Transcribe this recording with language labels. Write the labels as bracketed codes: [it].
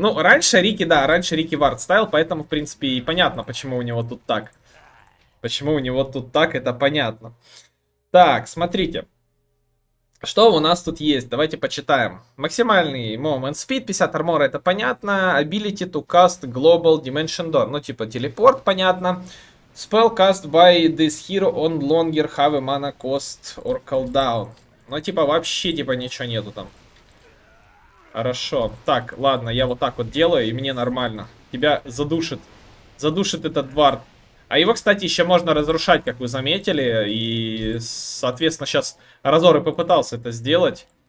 [ru] Ну, раньше Рики, да, раньше Рики вард ставил, поэтому, в принципе, и понятно, почему у него тут так. Почему у него тут так, это понятно. Так, смотрите. Что у нас тут есть? Давайте почитаем. Максимальный момент спид, 50 армора, это понятно. [en] Ability to cast global dimension door. [ru] Ну, типа, телепорт, понятно. [en] Spell cast by this hero on longer have a mana cost or cooldown. [ru] Ну, типа, вообще, типа, ничего нету там. Хорошо. Так, ладно, я вот так вот делаю, и мне нормально. Тебя задушит. Задушит этот вард. А его, кстати, еще можно разрушать, как вы заметили. И, соответственно, сейчас Разор и попытался это сделать.